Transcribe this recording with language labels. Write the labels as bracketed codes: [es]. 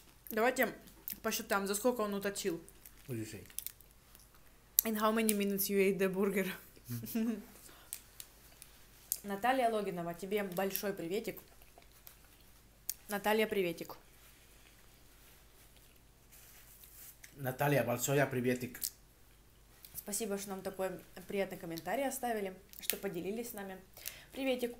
[ru] Давайте посчитаем, за сколько он уточил. [en] What do you say? And how many minutes you ate the burger? [ru] Наталья Логинова, тебе большой приветик. Наталья, приветик. Наталья, большой приветик. Спасибо, что нам такой приятный комментарий оставили, что поделились с нами. Приветик.